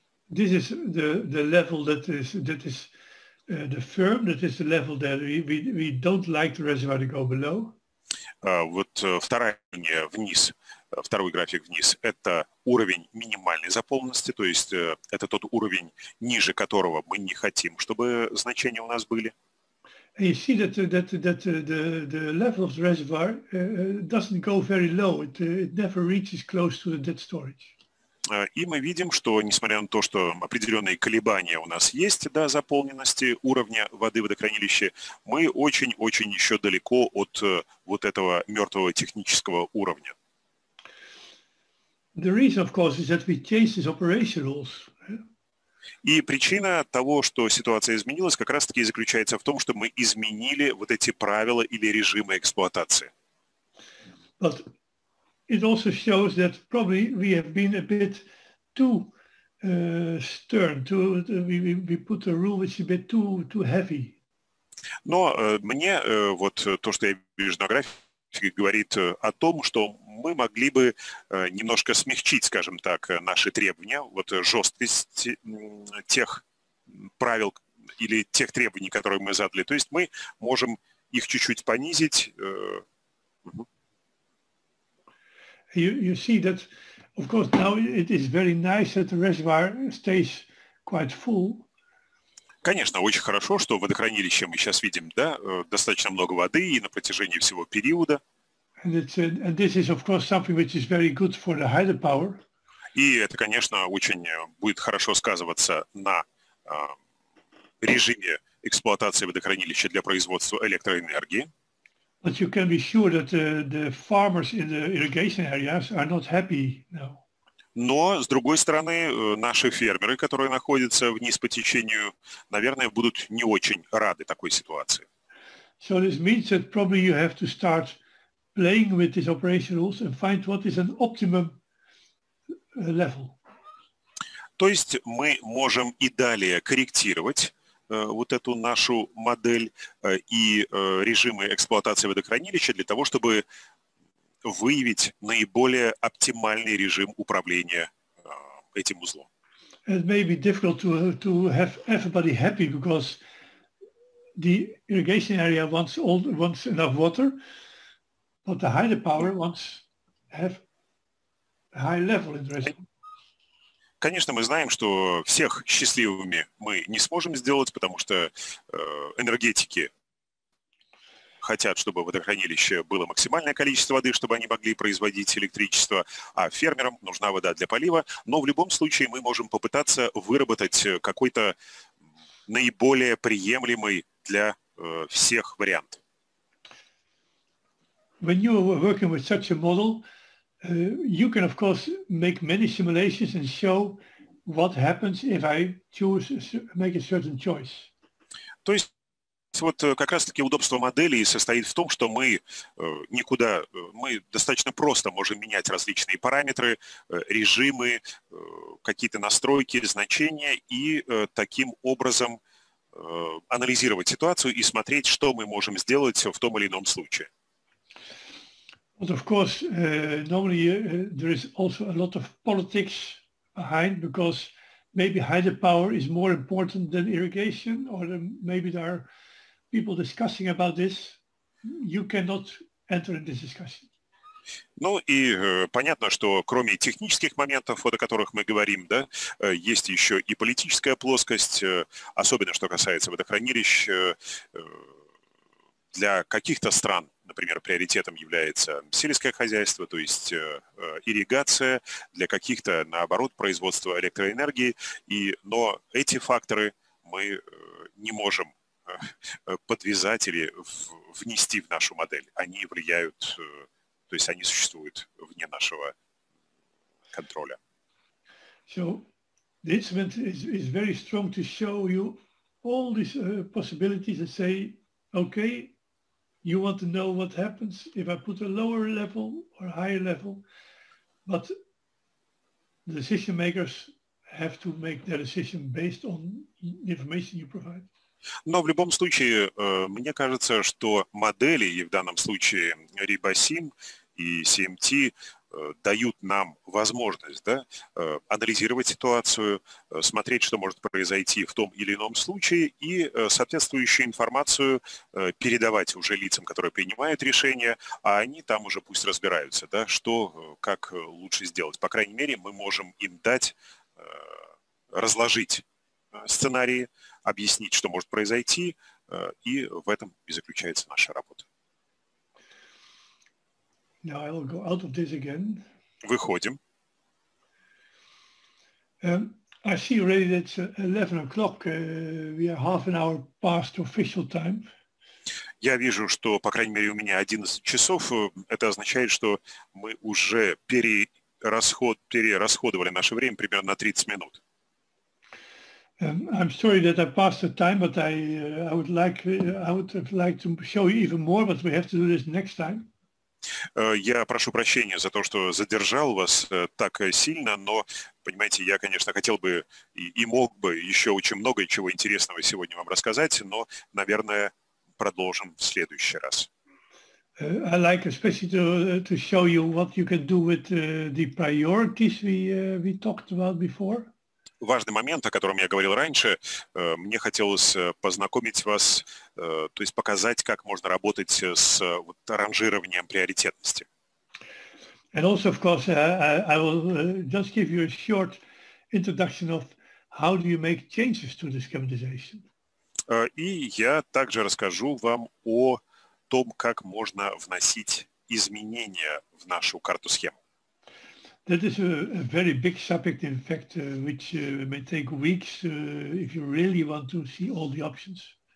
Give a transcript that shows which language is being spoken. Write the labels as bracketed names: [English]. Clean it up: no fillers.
[English] This is the level that is the firm, that is the level that we don't like the reservoir to go below. [Russian] Вот вторая линия вниз. Второй график вниз – это уровень минимальной заполненности, то есть это тот уровень, ниже которого мы не хотим, чтобы значения у нас были. [English] And you see that the level of the reservoir doesn't go very low. It never reaches close to the dead storage. [Russian] И мы видим, что несмотря на то, что определенные колебания у нас есть, да, заполненности уровня воды водохранилища, мы очень-очень еще далеко от вот этого мертвого технического уровня. [English] The reason, of course, is that we changed these operation rules. [Russian] И причина того, что ситуация изменилась, как раз-таки заключается в том, что мы изменили вот эти правила или режимы эксплуатации. [English] But it also shows that probably we have been a bit too stern, we put a rule which is a bit too heavy. [Russian] Но мне вот то, что я вижу на графике, говорит о том, что мы могли бы немножко смягчить, скажем так, наши требования, вот жесткость тех правил или тех требований, которые мы задали. То есть мы можем их чуть-чуть понизить. [English] You see that, of course, now it is very nice that the reservoir stays quite full. [Russian] Конечно, очень хорошо, что водохранилище мы сейчас видим, да, достаточно много воды и на протяжении всего периода. [English] And this is, of course, something which is very good for the hydropower. [Russian] И это, конечно, очень будет хорошо сказываться на режиме эксплуатации водохранилища для производства электроэнергии. [English] But you can be sure that the farmers in the irrigation areas are not happy now. [Russian] Но, с другой стороны, наши фермеры, которые находятся вниз по течению, наверное, будут не очень рады такой ситуации. [English] So this means that probably you have to start playing with these operation rules and find what is an optimum level. [Russian] То есть мы можем и далее корректировать вот эту нашу модель и режимы эксплуатации водохранилища для того, чтобы выявить наиболее оптимальный режим управления этим узлом. [English] It may be difficult to have everybody happy because the irrigation area wants enough water, but the hydropower wants have high level in the reservoir. [Russian] Конечно, мы знаем, что всех счастливыми мы не сможем сделать, потому что энергетики хотят, чтобы в водохранилище было максимальное количество воды, чтобы они могли производить электричество, а фермерам нужна вода для полива. Но в любом случае мы можем попытаться выработать какой-то наиболее приемлемый для всех вариант. [English] When you are working with such a model, you can of course make many simulations and show what happens if I make a certain choice. [Russian] То есть вот как раз-таки удобство модели состоит в том, что мы никуда, мы достаточно просто можем менять различные параметры, режимы, какие-то настройки, значения и таким образом анализировать ситуацию и смотреть, что мы можем сделать в том или ином случае. [English] But of course, normally there is also a lot of politics behind, because maybe hydropower is more important than irrigation, or maybe there are people discussing about this. You cannot enter in this discussion. [Russian] Ну и понятно, что кроме технических моментов, вот о которых мы говорим, да, есть еще и политическая плоскость, особенно что касается водохранилищ. Для каких-то стран, например, приоритетом является сельское хозяйство, то есть ирригация, для каких-то, наоборот, производство электроэнергии. Но эти факторы мы не можем подвязать или внести в нашу модель. Они влияют... То есть они существуют вне нашего контроля. [English] So the instrument is very strong to show you all these possibilities and say, okay, you want to know what happens if I put a lower level or a higher level, but the decision makers have to make their decision based on the information you provide. [Russian] Но в любом случае, мне кажется, что модели, и в данном случае RIBOSIM и CMT дают нам возможность, да, анализировать ситуацию, смотреть, что может произойти в том или ином случае, и соответствующую информацию передавать уже лицам, которые принимают решение, а они там уже пусть разбираются, да, что, как лучше сделать. По крайней мере, мы можем им дать, разложить сценарии, объяснить, что может произойти, и в этом и заключается наша работа. [English] Now I'll go out of this again. [Russian] Выходим. [English] I see already that it's 11 o'clock. We are half an hour past official time. [Russian] Я вижу, что, по крайней мере, у меня 11 часов. Это означает, что мы уже перерасходовали наше время примерно на 30 минут. [English] I'm sorry that I passed the time, but I would have liked to show you even more, but we have to do this next time. [Russian] Я прошу прощения за то, что задержал вас так сильно, но, понимаете, я, конечно, хотел бы и мог бы еще очень много чего интересного сегодня вам рассказать, но, наверное, продолжим в следующий раз. [English] I like especially to show you what you can do with the priorities we talked about before. [Russian] Важный момент, о котором я говорил раньше, мне хотелось познакомить вас, то есть показать, как можно работать с вот, ранжированием приоритетности. [English] And also, of course, I will just give you a short introduction of how do you make changes to the schematization. [Russian] И я также расскажу вам о том, как можно вносить изменения в нашу карту-схему. [English] That is a very big subject, in fact, which may take weeks if you really want to see all the options.